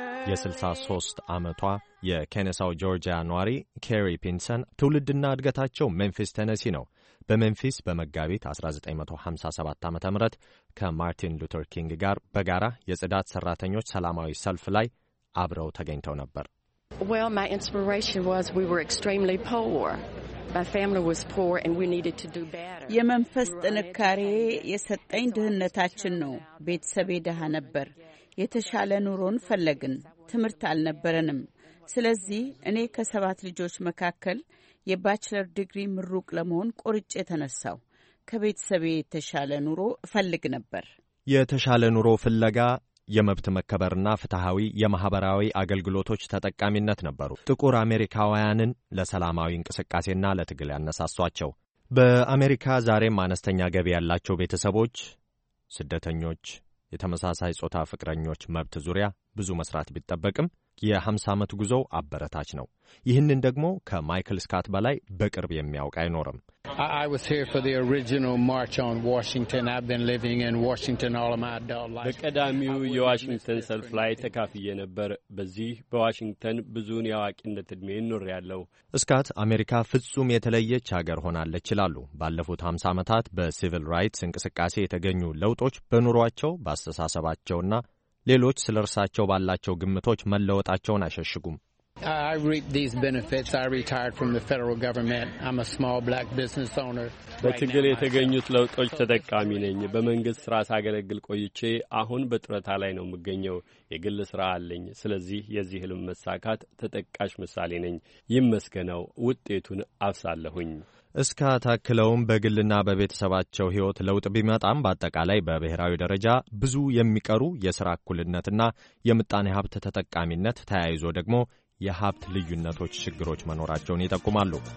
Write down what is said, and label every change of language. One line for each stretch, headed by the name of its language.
Amharic: የ63 ዓመቷ የኬነሳው ጆርጂያ ኗሪ ኬሪ ፒንሰን ትውልድና እድገታቸው ሜምፊስ ቴነሲ ነው። በሜምፊስ በመጋቢት 1957 ዓ ም ከማርቲን ሉተር ኪንግ ጋር በጋራ የጽዳት ሠራተኞች ሰላማዊ ሰልፍ ላይ አብረው ተገኝተው ነበር።
English: Well, my inspiration was we were extremely poor. My family was poor and we needed to do better.
Amharic: የመንፈስ ጥንካሬ የሰጠኝ ድህነታችን ነው። ቤተሰቤ ደሃ ነበር። የተሻለ ኑሮን ፈለግን። ትምህርት አልነበረንም። ስለዚህ እኔ ከሰባት ልጆች መካከል የባችለር ዲግሪ ምሩቅ ለመሆን ቆርጬ ተነሳሁ። ከቤተሰቤ የተሻለ ኑሮ እፈልግ ነበር። የተሻለ ኑሮ ፍለጋ የመብት መከበርና ፍትሃዊ የማህበራዊ አገልግሎቶች ተጠቃሚነት ነበሩ ጥቁር አሜሪካውያንን ለሰላማዊ እንቅስቃሴና ለትግል ያነሳሷቸው። በአሜሪካ ዛሬም አነስተኛ ገቢ ያላቸው ቤተሰቦች፣ ስደተኞች፣ የተመሳሳይ ጾታ ፍቅረኞች መብት ዙሪያ ብዙ መስራት ቢጠበቅም የ50 ዓመት ጉዞ አበረታች ነው። ይህንን ደግሞ ከማይክል ስካት በላይ በቅርብ የሚያውቅ አይኖርም።
English: I was here for the original march on Washington. I've been living in Washington all of my adult life.
Amharic: በቀዳሚው የዋሽንግተን ሰልፍ ላይ ተካፍዬ ነበር። በዚህ በዋሽንግተን ብዙውን የአዋቂነት እድሜ ኖሬያለሁ። ስካት አሜሪካ ፍጹም የተለየች ሀገር ሆናለች ይላሉ። ባለፉት 50 ዓመታት በሲቪል ራይትስ እንቅስቃሴ የተገኙ ለውጦች በኑሯቸው፣ በአስተሳሰባቸውና ሌሎች ስለርሳቸው ባላቸው ግምቶች መለወጣቸውን አሸሽጉም።
English: I reap these benefits. I retired from the federal government. I'm a small black business owner.
Amharic: በትግል የተገኙት ለውጦች ተጠቃሚ ነኝ። በመንግስት ስራ ሳገለግል ቆይቼ አሁን በጥረታ ላይ ነው የምገኘው። የግል ስራ አለኝ። ስለዚህ የዚህ ህልም መሳካት ተጠቃሽ ምሳሌ ነኝ። ይመስገነው ውጤቱን አፍሳለሁኝ። እስካ ታክለውም በግልና በቤተሰባቸው ህይወት ለውጥ ቢመጣም በአጠቃላይ በብሔራዊ ደረጃ ብዙ የሚቀሩ የስራ እኩልነትና የምጣኔ ሀብት ተጠቃሚነት ተያይዞ ደግሞ የሀብት ልዩነቶች ችግሮች መኖራቸውን ይጠቁማሉ።